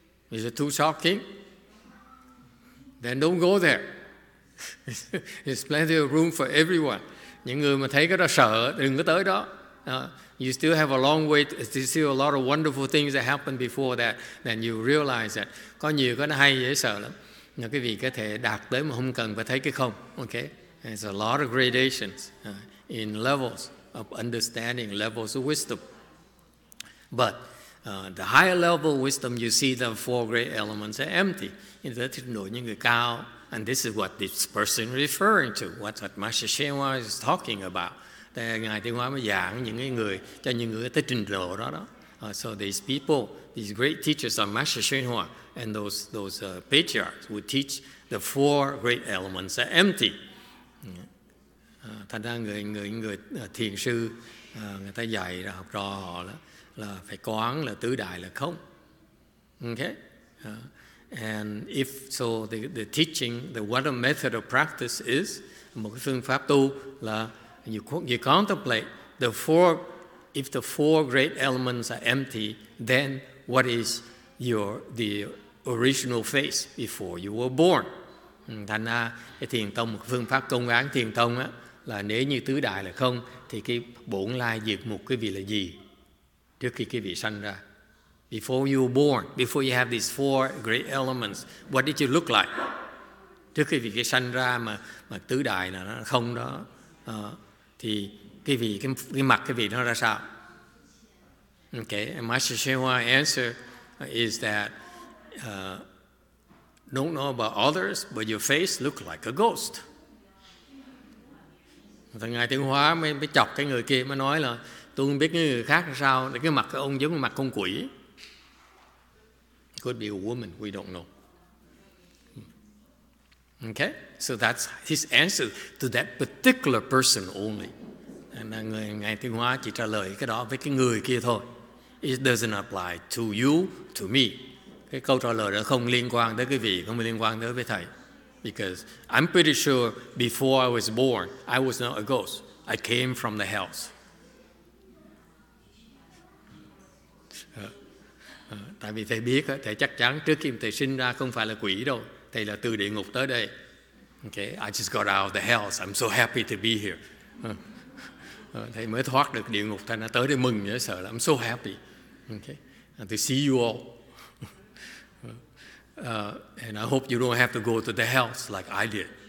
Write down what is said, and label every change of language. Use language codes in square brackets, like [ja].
[en] Is it too shocking? Then don't go there. There's plenty of room for everyone. [vi] Những người mà thấy cái đó sợ, đừng có tới đó. [en] You still have a long way. There's still a lot of wonderful things that happened before that. Then you realize that. [vi] Có nhiều cái nó hay dễ sợ lắm. Nhưng cái vị có thể đạt tới mà không cần phải thấy cái không. [en] Okay? There's a lot of gradations in levels of understanding, levels of wisdom. But the higher level of wisdom, you see the four great elements are empty. [vi] Những người cao. [en] And this is what this person referring to, what Master Shenhua is talking about. [vi] Thì Ngài Tiên Hóa mới giảng những người, cho những người tới trình độ đó đó. [en] So these people, these great teachers are Master Shenhua, and those patriarchs who teach the four great elements are empty. [vi] Thành ra người thiền sư, người ta dạy là học trò họ là phải quán là tứ đại là không. [en] Okay? And if so, the teaching, the one method of practice is [vi] một cái phương pháp tu là [en] you contemplate the four. If the four great elements are empty, then what is the original face before you were born? [vi] Thành ra cái thiền tông, một phương pháp công án thiền tông á, là nếu như tứ đại là không thì cái bổn lai diệt mục cái vị là gì trước khi cái vị sanh ra. [en] Before you were born, before you have these four great elements, what did you look like? [vi] Trước khi vị cái sanh ra mà tứ đại là nó không đó, thì cái vị cái mặt cái vị nó ra sao? [en] Okay, and Master Shenhua's answer is that don't know about others, but your face look like a ghost. [vi] Thằng Ngài Tiên Hóa mới chọc cái người kia mới nói là tôi không biết người khác sao, để cái mặt cái ông giống mặt con quỷ. [en] Could be a woman, we don't know. Okay, so that's his answer to that particular person only. [vi] And Ngài Tuyên Hóa chỉ trả lời cái đó với cái người kia thôi. [en] It doesn't apply to you, to me. [vi] Cái câu trả lời đó không liên quan tới quý vị, không liên quan tới với thầy. [en] Because I'm pretty sure before I was born, I was not a ghost. I came from the hells. [vi] Tại vì thầy biết, thầy chắc chắn trước khi thầy sinh ra không phải là quỷ đâu. Thầy là từ địa ngục tới đây. [en] Okay, I just got out of the hells. I'm so happy to be here. [vi] Thầy mới thoát được địa ngục, thầy đã tới đây mừng, nhớ sợ là [en] I'm so happy. Okay, and to see you all. And I hope you don't have to go to the hells like I did.